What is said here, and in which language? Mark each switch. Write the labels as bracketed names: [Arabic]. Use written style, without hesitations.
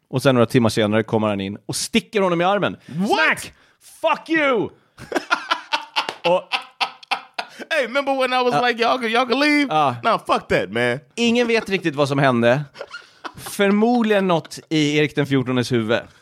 [Swedish] Och sen några timmar senare kommer han in och sticker honom i armen. [English] What? Smack! Fuck you! Och, hey, remember when I was like, y'all can leave? No, fuck that, man. [Swedish] Ingen vet riktigt vad som hände. Förmodligen något i Erik den 14:s huvud.